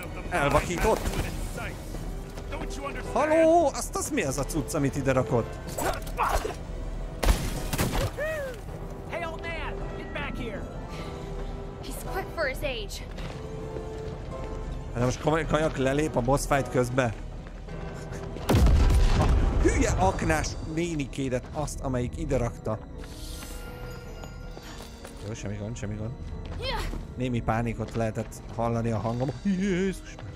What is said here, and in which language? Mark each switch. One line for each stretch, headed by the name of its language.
Hungarian: Elvakított? Haló, azt mi az a cucc, amit ide rakott?
English: Hey old man, get back here. He's quick for his age.
Hungarian: De most kajak lelép a boss fight közbe. A hülye aknás nénikédet azt, amelyik ide rakta. Jó, semmi gond, semmi gond. Némi pánikot lehetett hallani a hangom. Jézus.